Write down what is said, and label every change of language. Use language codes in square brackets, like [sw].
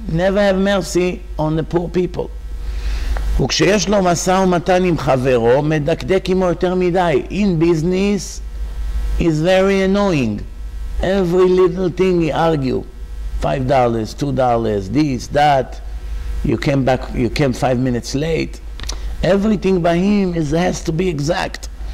[en] Never have mercy on the poor people. [he] וכשיש לו מסע ומתן עם חברו, מדקדק עמו יותר מדי. [en] In business, is very annoying. Every little thing he argue. $5, $2, this, that. You came 5 minutes late. Everything by him has to be exact.